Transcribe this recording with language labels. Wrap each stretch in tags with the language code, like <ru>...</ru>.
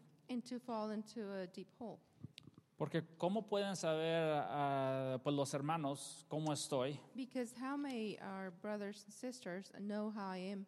<en>And to fall into a deep hole.</en> <es>Porque cómo pueden saber pues los hermanos cómo estoy.</es> <en>Because how may our brothers and sisters know how I am?</en>